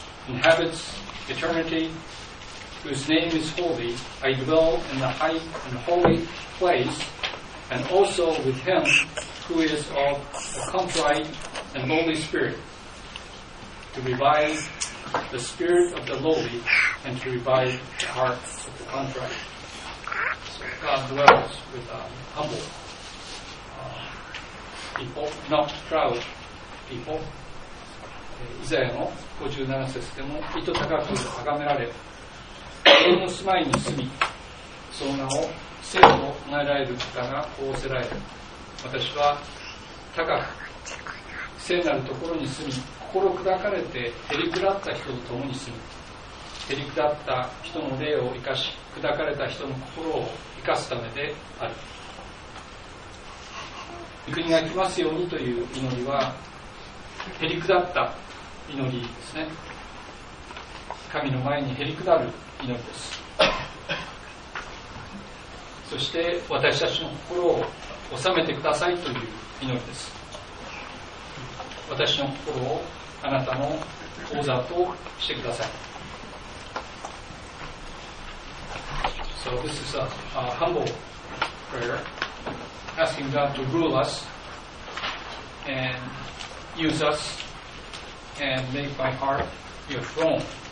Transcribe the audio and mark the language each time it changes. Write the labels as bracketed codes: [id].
[en] inhabits eternity, whose name is holy, I dwell in the high and holy place, and also with him who is of a contrite and lowly spirit, to revive the spirit of the lowly and to revive the heart of the contrite. So God dwells with humble people, not proud people. [ja] 以前の57節でも意図高く崇められ、人の住まいに住み、その名を聖と唱えられる方が仰せられる。私は高く聖なるところに住み、心砕かれてへりくだった人と共に住む。へりくだった人の霊を生かし、砕かれた人の心を生かすためである。御国が来ますようにという祈りは、へりくだった祈りですね。神の前にへりくだる祈りです。そして私たちの心を収めてくださいという祈りです。私の心をあなたの王座としてください。 [en] So this is a humble prayer, asking God to rule us and use us and make my heart your throne.